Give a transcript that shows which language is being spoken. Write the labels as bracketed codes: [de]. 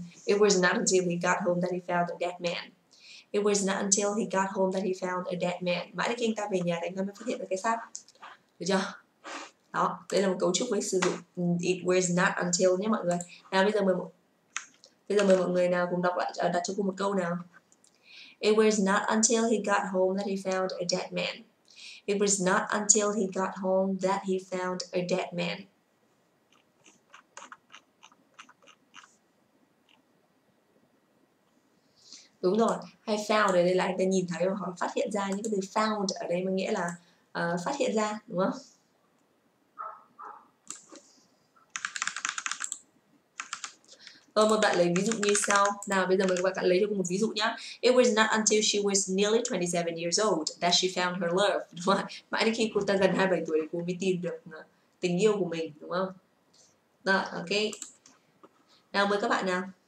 [en] It was not until he got home that he found a dead man. It was not until he got home that he found a dead man. [vi] Mãi đến khi anh ta về nhà thì anh ta mới phát hiện ra cái xác. Được chưa? Đó, đây là một cấu trúc với sử dụng [en] it was not until [vi] nhé mọi người. Nào bây giờ mời mọi người nào cùng đọc lại, đặt cho cô một câu nào. [en] It was not until he got home that he found a dead man. It was not until he got home that he found a dead man. [vi] Đúng rồi, hay found ở đây là anh ta nhìn thấy và họ phát hiện ra. Những cái từ found ở đây mới nghĩa là phát hiện ra, đúng không? Rồi một bạn lấy ví dụ như sau. Nào bây giờ mời các bạn lấy cho cô một ví dụ nhá. [en] It was not until she was nearly 27 years old that she found her love. [vi] Đúng không? Mãi đến khi cô ta gần 27 tuổi cô mới tìm được tình yêu của mình, đúng không? Đó, ok. Nào mời các bạn nào.